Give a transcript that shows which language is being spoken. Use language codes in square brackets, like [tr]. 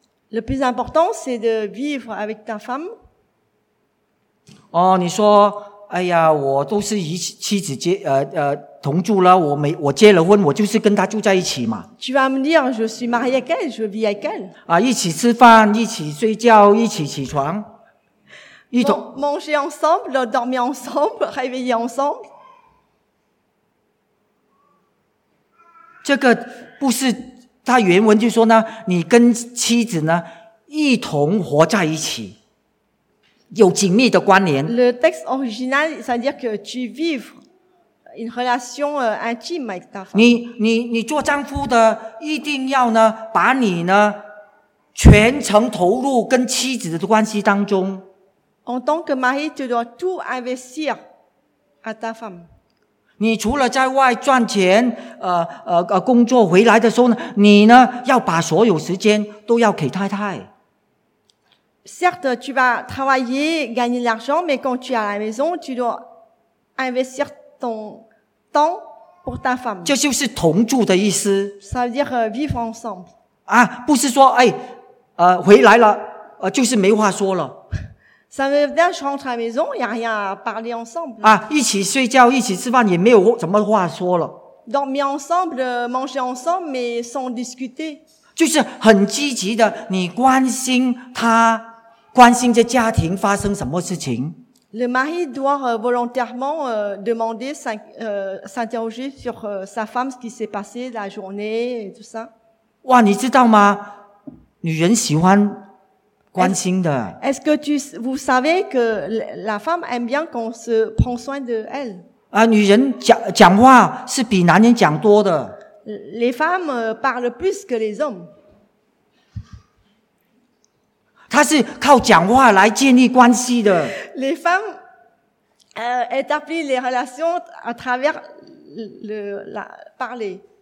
[fr] Le plus important c'est de vivre avec ta femme。 [zh] 哦，你说，哎呀，我都是与妻子同住了，我结了婚，我就是跟她住在一起嘛。 [fr] Tu vas me dire, je suis marié avec elle, je vis avec elle。 [zh] 一起吃饭，一起睡觉，一起起床，一同 [fr] manger ensemble, dormir ensemble, réveiller ensemble。 [zh] 这个不是他原文就说呢，你跟妻子呢一同活在一起，有紧密的关联。 [fr] Le texte original, c'est-à-dire que tu vives une relation intime avec ta femme. [zh] 你做丈夫的一定要呢，把你呢全程投入跟妻子的关系当中。 [fr] En tant que mari, tu dois tout investir à ta femme. [zh] 你除了在外赚钱工作回来的时候呢，你呢要把所有时间都要给太太。 [fr] Certes, tu vas travailler, gagner l'argent, mais quand tu es à la maison, tu dois investir ton temps pour ta femme. [zh] 这就是同住的意思。 [fr] Ça veut dire vivre ensemble. [zh] 不是说回来了就是没话说了。 [fr] Ça veut dire je rentre à la maison, y a rien à parler ensemble. [zh] 一起睡觉，一起吃饭，也没有什么话说了。 [fr] Dormir ensemble, manger ensemble, mais sans discuter. [zh] 就是很积极的，你关心他，关心这家庭发生什么事情。 [fr] Le mari doit volontairement demander s'interroger sur sa femme ce qui s'est passé la journée et tout ça. [zh] 哇，你知道吗？女人喜欢。关心的。 [fr] Est-ce que vous savez que la femme aime bien qu'on se prend soin de elle？ [zh] 女人讲话是比男人讲多的。 [fr] Les femmes parlent plus que les hommes。 [zh] 她是靠讲话来建立关系的。 [fr] Les femmes établissent les relations à travers la parler。